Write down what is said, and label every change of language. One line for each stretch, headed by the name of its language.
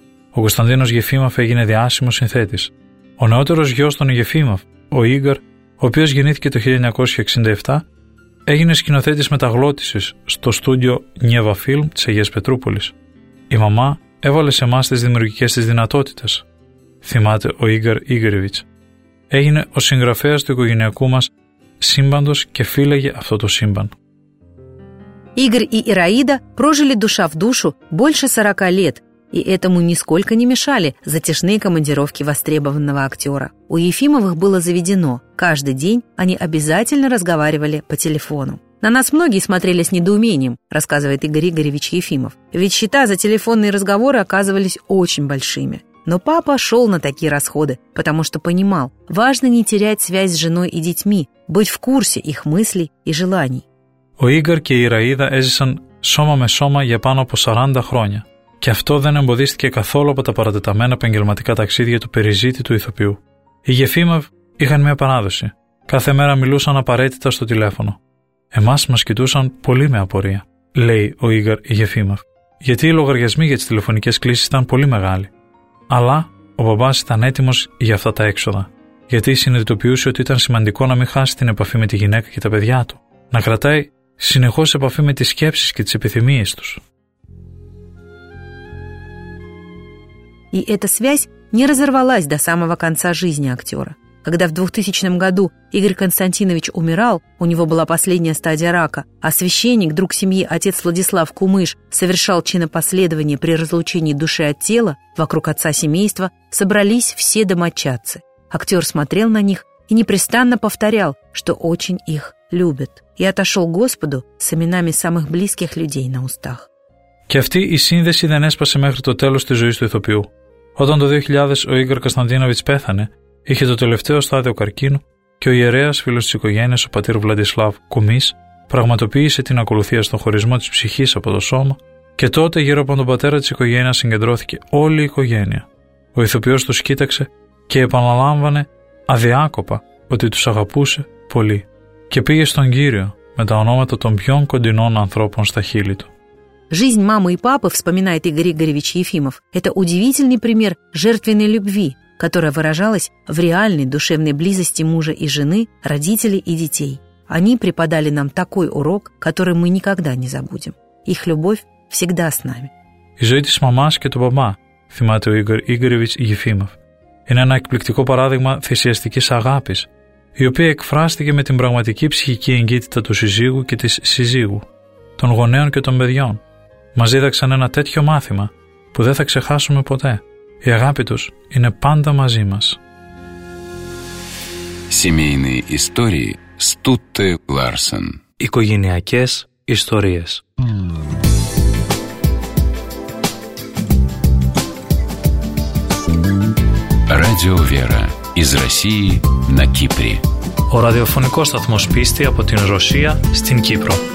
Greek: Ο Κωνσταντίνος Γεφίμαφ έγινε διάσημος συνθέτης. Ο νεότερος γιος των Γεφίμαφ, ο Ίγκαρ, ο οποίος γεννήθηκε το 1967, έγινε σκηνοθέτης μεταγλώτησης στο στούντιο Νιέβα Φιλμ της Αγίας Πετρούπολης. Η μαμά έβαλε σε εμάς τις δημιουργικές της δυνατότητες, θυμάται ο Ίγκαρ Ίγκαρεβιτς. Έγινε ο συγγραφέας του οικογενειακού μας σύμπαντος και φύλαγε αυτό το σύμπαν.
Russian: Игорь и Ираида прожили душа в душу больше 40 лет, и этому нисколько не мешали затяжные командировки востребованного актера. У Ефимовых было заведено, каждый день они обязательно разговаривали по телефону. «На нас многие смотрели с недоумением», рассказывает Игорь Игоревич Ефимов, «ведь счета за телефонные разговоры оказывались очень большими. Но папа шел на такие расходы, потому что понимал, важно не терять связь с женой и детьми, быть в курсе их мыслей и желаний».
Greek: Ο Ίγκαρ και η Ραΐδα έζησαν σώμα με σώμα για πάνω από 40 χρόνια και αυτό δεν εμποδίστηκε καθόλου από τα παρατεταμένα επαγγελματικά ταξίδια του περιζήτη του ηθοποιού. Οι Γεφίμαβ είχαν μια παράδοση. Κάθε μέρα μιλούσαν απαραίτητα στο τηλέφωνο. «Εμάς μας κοιτούσαν πολύ με απορία», λέει ο Ίγκαρ Γεφίμαβ, «γιατί οι λογαριασμοί για τις τηλεφωνικές κλήσεις ήταν πολύ μεγάλοι. Αλλά ο μπαμπάς ήταν έτοιμος για αυτά τα έξοδα, γιατί συνειδητοποιούσε ότι ήταν σημαντικό να μην χάσει την επαφή με τη γυναίκα και τα παιδιά του, να κρατάει συνεχώς επαφή με τις σκέψεις και τις επιθυμίες τους».
Russian: И эта связь не разорвалась до самого конца жизни актера. Когда в 2000 году Игорь Константинович умирал, у него была последняя стадия рака, а священник, друг семьи, отец Владислав Кумыш, совершал чинопоследование при разлучении души от тела, вокруг отца семейства собрались все домочадцы. Актер смотрел на них и непрестанно повторял, что очень их любит. И отошел к Господу с именами самых близких людей на устах.
Greek: Και αυτή η σύνδεση δεν έσπασε μέχρι το τέλος της ζωής του ηθοποιού. Όταν το 2000 ο Ίγκαρ Κωνσταντίνοβιτς πέθανε, είχε το τελευταίο στάδιο καρκίνου και ο ιερέας φίλος της οικογένειας, ο πατήρ Βλαντισλάβ Κουμής, πραγματοποίησε την ακολουθία στον χωρισμό της ψυχής από το σώμα και τότε γύρω από τον πατέρα της οικογένειας συγκεντρώθηκε όλη η οικογένεια. Ο ηθοποιός τους κοίταξε και επαναλάμβανε αδιάκοπα ότι τους αγαπούσε πολύ και πήγε στον Κύριο με τα ονόματα των πιο κοντινών ανθρώπων στα χείλη του.
Russian: «Жизнь мамы и папы», вспоминает Игорь Григорьевич Ефимов, «это удивительный пример жертвенной любви, которая выражалась в реальной душевной близости мужа и жены, родителей и детей. Они преподали нам такой урок, который мы никогда не забудем. Их любовь всегда с нами».
Greek: «Η ζωή της мамас και του папа», θυμάται ο Игорь Григорьевич Ефимов, «είναι ένα εκπληκτικό παράδειγμα θυσιαστικής αγάπης, η οποία εκφράστηκε με την πραγματική ψυχική εγκύτητα του συζύγου και της συζύγου, των γονέων και των παιδιών. Μας δίδαξαν ένα τέτοιο μάθημα που δεν θα ξεχάσουμε ποτέ. Η αγάπη τους είναι πάντα μαζί μας».
Russian: Семейные истории Стутте Ларсен.
Greek: Οικογενειακές ιστορίες.
Russian: Радио Вера. Из России на Кипре.
Greek: Ο ραδιοφωνικός σταθμός πίστη από την Ρωσία στην Κύπρο.